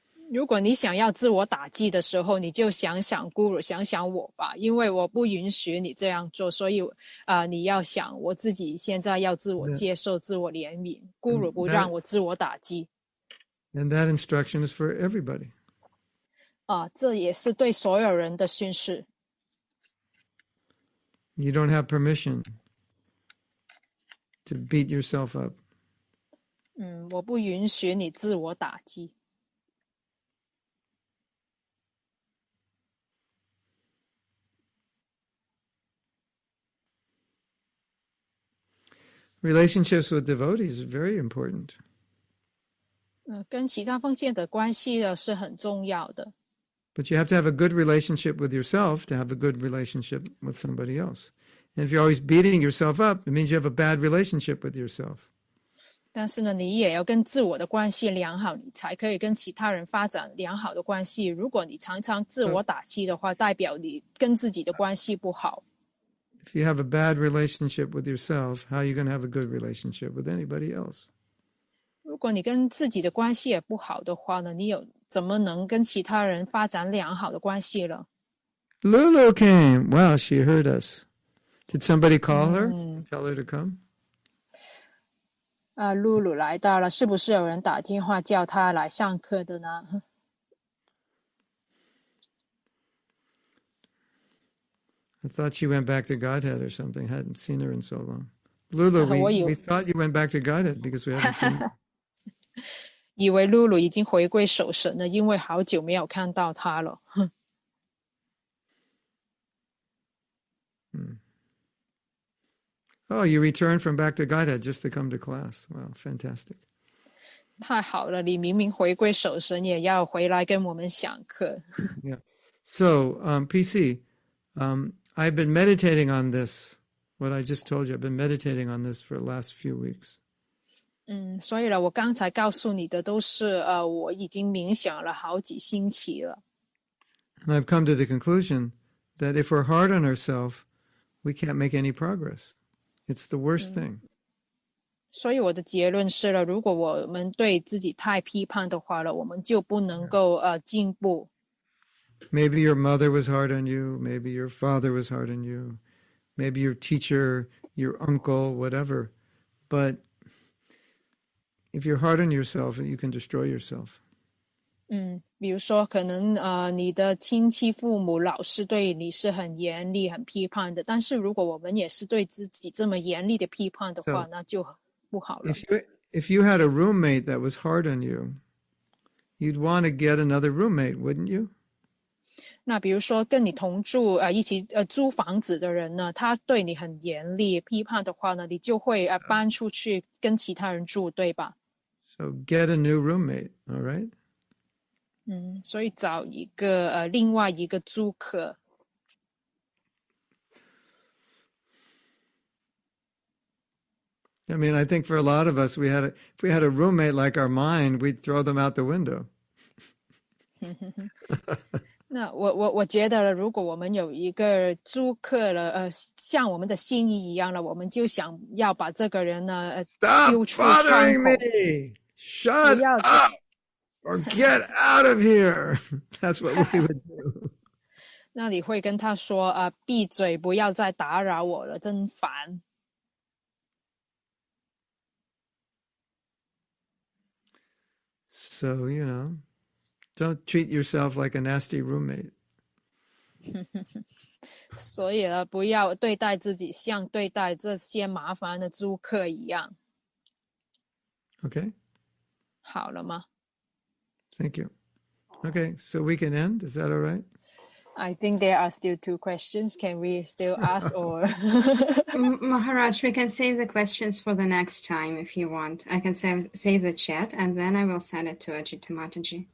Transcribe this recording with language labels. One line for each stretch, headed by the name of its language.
Chinese: 如果你想要自我打击的时候，你就想想 guru， 想想我吧，因为我不允许你这样做，所以你要想我自己现在要自我接受，自我怜悯， guru 不让我自我打击。
English: And that instruction is for everybody.
Chinese: 这也是对所有人的训示。
English: You don't have permission to beat yourself up.
Chinese: 我不允许你自我打击。
English: Relationships with devotees are very important.
Chinese: 跟其他奉献的关系是很重要的。
English: But you have to have a good relationship with yourself to have a good relationship with somebody else. And if you're always beating yourself up, it means you have a bad relationship with yourself.
Chinese: 但是呢，你也要跟自我的关系良好，你才可以跟其他人发展良好的关系。如果你常常自我打击的话，代表你跟自己的关系不好。
English: If you have a bad relationship with yourself, how are you going to have a good relationship with anybody else?
Chinese: 如果你跟自己的关系也不好的话呢，你有怎么能跟其他人发展良好的关系了？
English: Lulu came. Wow, she heard us. Did somebody call her? Tell her to come?
Chinese: Lulu 来到了，是不是有人打电话叫她来上课的呢？
English: I thought she went back to Godhead or something. I hadn't seen her in so long. Lulu, we thought you went back to Godhead because we haven't seen her.
Chinese: 以为 Lulu 已经回归守神了，因为好久没有看到她了。
English: Oh, you returned from back to Godhead just to come to class. Wow, fantastic.
Chinese: 太好了，你明明回归守神，也要回来跟我们讲课。
English: Yeah. So, PC, I've been meditating on this, what I just told you. I've been meditating on this for the last few weeks.
Chinese: 所以呢，我刚才告诉你的都是我已经冥想了好几星期了。
English: And I've come to the conclusion that if we're hard on ourselves, we can't make any progress. It's the worst thing.
Chinese: 所以我的结论是了，如果我们对自己太批判的话了，我们就不能够进步。
English: Maybe your mother was hard on you. Maybe your father was hard on you. Maybe your teacher, your uncle, whatever. But if you're hard on yourself, you can destroy yourself.
Chinese: 比如说可能你的亲戚父母老师对你是很严厉很批判的，但是如果我们也是对自己这么严厉的批判的话，那就不好了。
English: If you had a roommate that was hard on you, you'd want to get another roommate, wouldn't you?
Chinese: 那比如说跟你同住一起租房子的人呢，他对你很严厉批判的话呢，你就会搬出去跟其他人住，对吧？
English: So get a new roommate, all right?
Chinese: 所以找一个另外一个租客。
English: I mean, I think for a lot of us, if we had a roommate like our mind, we'd throw them out the window.
Chinese: 那我觉得了，如果我们有一个租客了，像我们的心意一样了，我们就想要把这个人呢
English: ，Stop bothering me! Shut up! Or get out of here! That's what we would do.
Chinese: 那你会跟他说闭嘴，不要再打扰我了，真烦。
English: So, you know. Don't treat yourself like a nasty roommate.
Chinese: 所以呢，不要对待自己像对待这些麻烦的租客一样。
English: Okay.
Chinese: 好了吗？
English: Thank you. Okay, so we can end. Is that all right? I think there are still two questions. Can we still ask or? Maharaj, we can save the questions for the next time if you want. I can save the chat and then I will send it to Ajita Mataji.